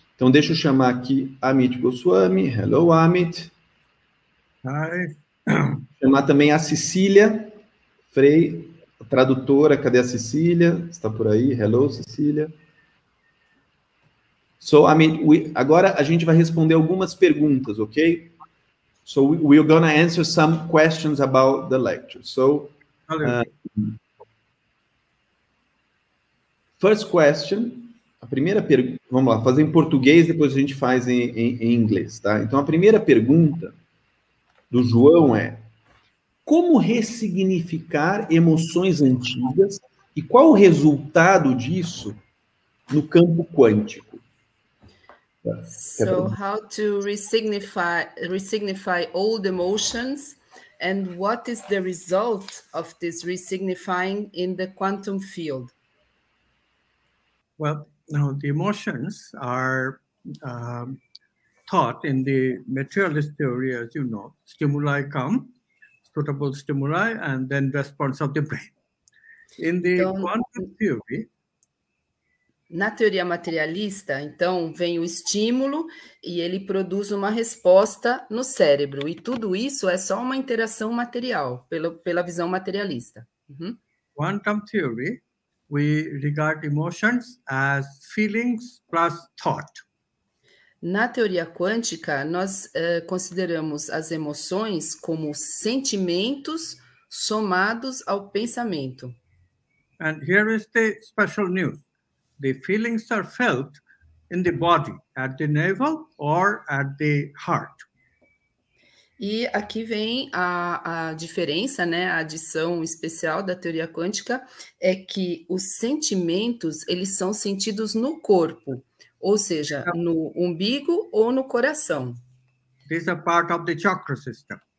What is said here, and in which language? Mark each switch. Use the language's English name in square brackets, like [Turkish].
[Portuguese] Então, deixa eu chamar aqui Amit Goswami. [English] Hello, Amit. Hi. [Portuguese] Chamar também a Cecília Frei, tradutora. Cadê a Cecília? Está por aí? [English] Hello, Cecília. So, I mean, [Portuguese] agora a gente vai responder algumas perguntas, ok? [English] So, we're going to answer some questions about the lecture. So, first question, [Portuguese] a primeira pergunta, vamos lá, fazer em português, depois a gente faz em inglês, tá? Então, a primeira pergunta do João é: como ressignificar emoções antigas e qual o resultado disso no campo quântico? [English] So how to resignify old emotions, and what is the result of this resignifying in the quantum field? Well, now the emotions are taught in the materialist theory, as you know. Stimuli come, suitable stimuli, and then response of the brain. In the quantum theory. [Portuguese] Na teoria materialista, então, vem o estímulo e ele produz uma resposta no cérebro. E tudo isso é só uma interação material, pela visão materialista. [English] Quantum theory, we regard emotions as feelings plus thought. [Portuguese] Na teoria quântica, nós consideramos as emoções como sentimentos somados ao pensamento. [English] And here is the special news. The feelings are felt in the body, at the navel or at the heart. [Portuguese] E aqui vem a diferença, né? A adição especial da teoria quântica é que os sentimentos, eles são sentidos no corpo, ou seja, no umbigo ou no coração. [English] This is a part of the chakra system.